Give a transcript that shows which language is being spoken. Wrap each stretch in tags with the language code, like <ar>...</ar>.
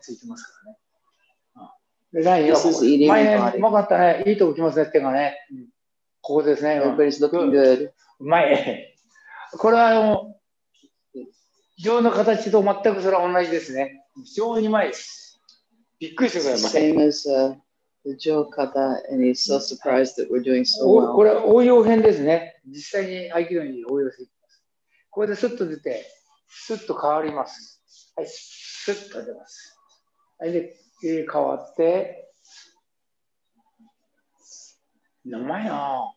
<ja>ついてますからね。で、ラインは、前ね、うまかったね。いいとこ来ますね、手がね。ここですね。</ja> <en>Everybody's looking good.</en> <ja>うまい。これは、上の形と全くそれは同じですね。非常にうまいです。びっくりしてください。</ja> <en>Same as the 上型 and he's so surprised that we're doing so well.</en> <ja>これは応用編ですね。実際に合気道に応用していきます。ここでスッと出て、スッと変わります。はい、スッと出ます。はい、で、変わって、うまいなぁ。</ja>